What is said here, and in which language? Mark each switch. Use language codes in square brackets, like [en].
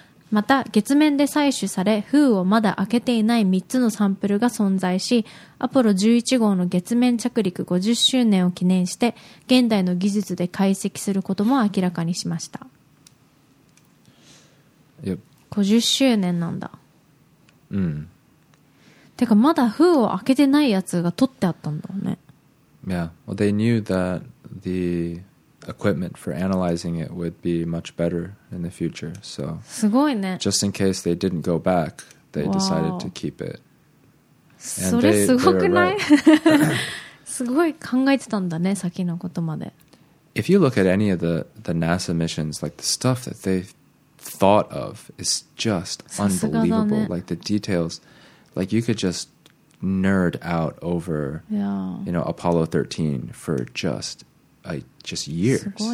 [ja] また月面で採取され封をまだ開けていない3つのサンプルが存在し、アポロ11号の月面着陸50周年を記念して現代の技術で解析することも明らかにしました。 50 周年なんだ。うん。てかまだ封を開けてないやつが取ってあったんだよね。 [en] Yeah, well, they knew that theequipment for analyzing it would be much better in the future. So, [ja] すごいね。 [en] Just in case they didn't go back, they decided to keep it. [ja] それすごくない？すごい考えてたんだね、先のことまで。 [en] If you look at any of the NASA missions, like the stuff that they thought of is just unbelievable. Like the details, like you could just nerd out over, yeah. you know, Apollo 13 for just years.